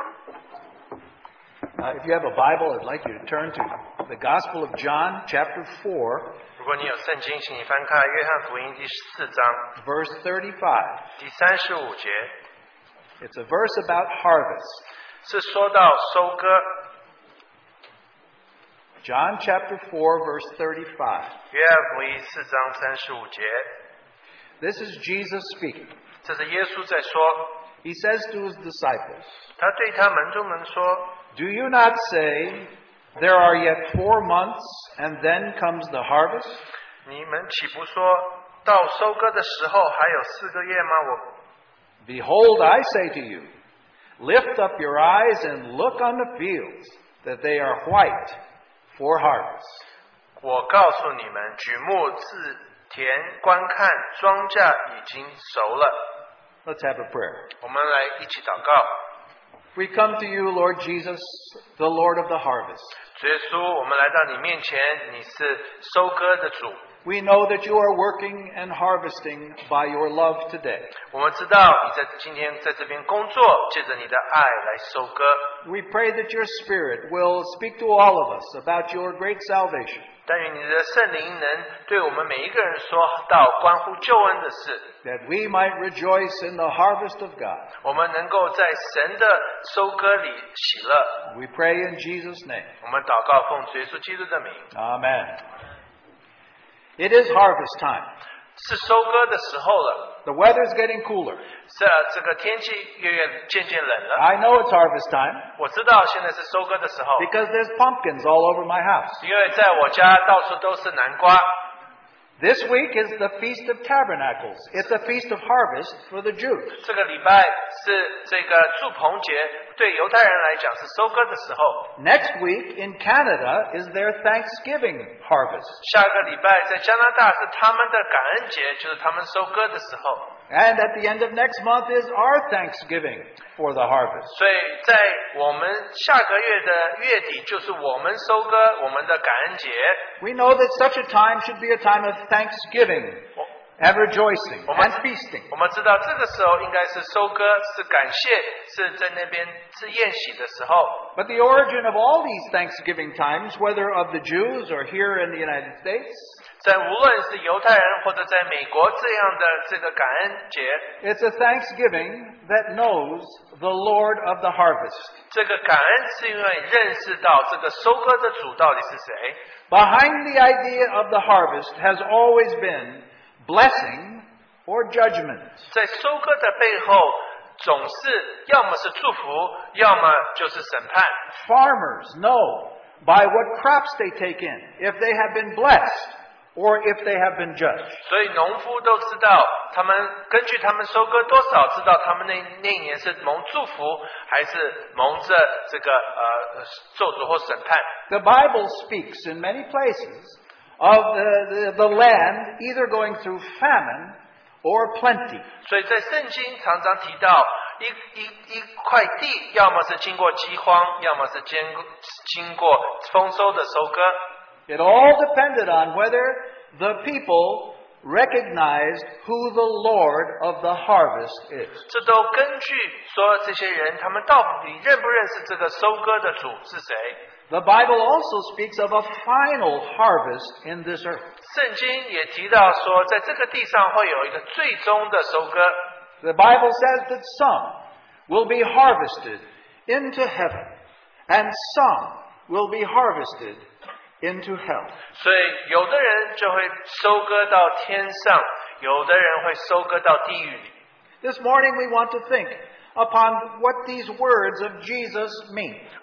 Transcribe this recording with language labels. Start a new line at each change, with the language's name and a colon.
Chinese: 如果你有
English: Bible, I'd like you to turn to the Gospel of John, chapter 4.
Chinese: 如果你有圣经，请你翻开约翰福音第四章。
English: Verse 35.
Chinese: 第三十五节。
English: It's a verse about harvest.
Chinese: 是说到收割。
English: John chapter 4, verse 35.
Chinese: 约翰福音四章三十五节。
English: This is Jesus speaking.
Chinese: 这是耶稣在说。
English: He says to his disciples.
Chinese: 他对他门徒们说。
English: Do you not say, there are yet 4 months, and then comes the harvest?
Chinese: 你们岂不说到收割的时候还有四个月吗？
English: Behold, I say to you, lift up your eyes and look on the fields, that they are white for harvest.
Chinese: 我告诉你们，举目自田观看，庄稼已经熟了。
English: Let's have a prayer.
Chinese: 我们来一起祷告。
English: We come to you, Lord Jesus, the Lord of the harvest.
Chinese: 主耶稣，我们来到你面前，你是收割的主。
English: We know that you are working and harvesting by your love today.
Chinese: 我们知道你在今天在这边工作，借着你的爱来收割。
English: We pray that your Spirit will speak to all of us about your great salvation.
Chinese: 但愿你的圣灵能对我们每一个人说到关乎救恩的事。
English: That we might rejoice in the harvest of God.
Chinese: 我们能够在神的收割里喜乐。
English: We pray in Jesus' name.
Chinese: 我们祷告奉主耶稣基督的名。
English: Amen. It is harvest time.
Chinese: 是收割的时候了。
English: The weather is getting cooler.
Chinese: 是啊，这个天气越渐渐冷了。
English: I know it's harvest time.
Chinese: 我知道现在是收割的时候。
English: Because there's pumpkins all over my house.
Chinese: 因为在我家到处都是南瓜。
English: This week is the Feast of Tabernacles. It's a feast of harvest for the Jews.
Chinese: 这个礼拜是这个祝棚节，对犹太人来讲是收割的时候。
English: Next week in Canada is their Thanksgiving harvest.
Chinese: 下个礼拜在加拿大是他们的感恩节，就是他们收割的时候。
English: And at the end of next month is our Thanksgiving for the harvest.
Chinese: 所以在我们下个月的月底就是我们收割我们的感恩节。
English: We know that such a time should be a time of thanksgiving and rejoicing and feasting.
Chinese: 我们知道这个时候应该是收割，是感谢，是在那边吃宴席的时候。
English: But the origin of all these thanksgiving times, whether of the Jews or here in the United States,
Chinese: 在无论是犹太人或者在美国这样的这个感恩节，
English: it's a thanksgiving that knows the Lord of the harvest.
Chinese: 这个感恩是因为认识到这个收割的主到底是谁。
English: Behind the idea of the harvest has always been blessing or judgment.
Chinese: 在收割的背后，总是要么是祝福，要么就是审判。
English: Farmers know by what crops they take in if they have been blessed or if they have been judged.
Chinese: 所以农夫都知道，他们根据他们收割多少，知道他们那年是蒙祝福还是蒙着这个咒诅或审判。
English: The Bible speaks in many places of the land either going through famine or plenty.
Chinese: 所以在圣经常常提到一块地，要么是经过饥荒，要么是经过丰收的收割。
English: It all depended on whether the people recognized who the Lord of the harvest is.
Chinese: 这都根据说这些人, 他们到底认不认识这个收割的主是谁?
English: The Bible also speaks of a final harvest in this earth.
Chinese: 圣经也提到说, 在这个地上会有一个最终的收割。
English: The Bible says that some will be harvested into heaven, and some will be harvested into hell.
Chinese: 所以有的人就会收割到天上，有的人会收割到地狱。
English: This morning we want to think upon what these words of Jesus mean.